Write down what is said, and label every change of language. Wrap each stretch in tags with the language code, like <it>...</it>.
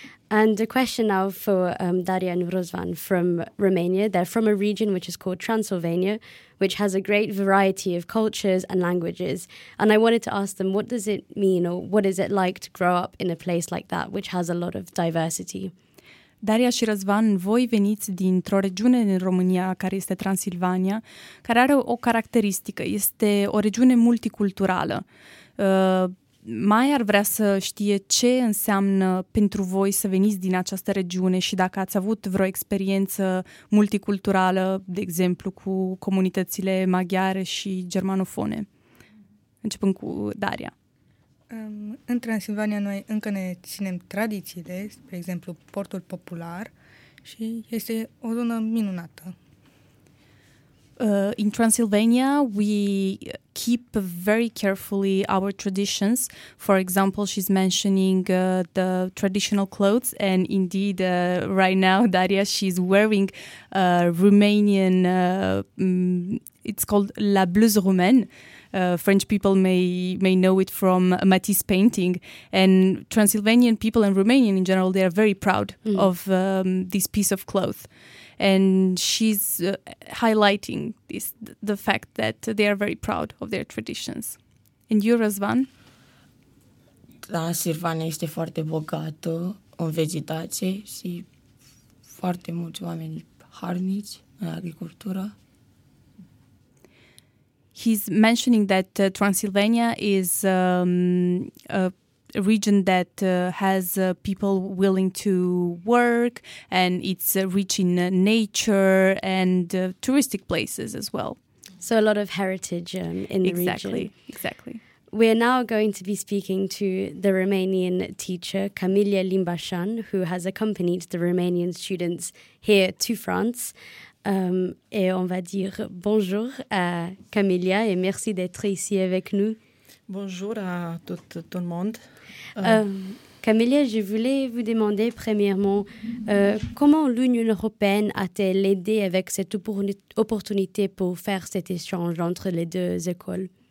<en>And a question now for Daria and Rosvan from Romania. They're from a region which is called Transylvania, which has a great variety of cultures and languages. And I wanted to ask them, what does it mean or what is it like to grow up in a place like that, which has a lot of diversity?</en> <ro>Daria și Răzvan, voi veniți dintr-o regiune din România, care este Transilvania, care are o caracteristică, este o regiune multiculturală. Mai ar vrea să știe ce înseamnă pentru voi să veniți din această regiune și dacă ați avut vreo experiență multiculturală, de exemplu, cu comunitățile maghiare și germanofone. Începând cu Daria. În Transilvania noi încă ne ținem tradițiile, spre exemplu portul popular și este o zonă minunată.</ro> <en>In Transylvania, we keep very carefully our traditions. For example, she's mentioning the traditional clothes, and indeed, right now, Daria, she's wearing Romanian, it's called La Bluse Romaine. French people may know it from Matisse painting, and Transylvanian people and Romanian in general, they are very proud of this piece of cloth. And she's highlighting this, the fact that they are very proud of their traditions. And you, Răzvan?</en> <ro>Transilvania este foarte bogată în vegetație și foarte mulți oameni harnici în agricultură.</ro> <en>He's mentioning that Transylvania is a region that has people willing to work, and it's rich in nature and touristic places as well. So a lot of heritage in the region. Exactly, exactly. We're now going to be speaking to the Romanian teacher, Camilia Limbașan, who has accompanied the Romanian students here to France.</en> <fr>Et on va dire bonjour à Camilia et merci d'être ici avec nous. Bonjour à tout le monde. Camilia, je voulais vous demander premièrement comment l'Union européenne a-t-elle aidé avec cette opportunité pour faire cet échange entre les deux écoles?</fr>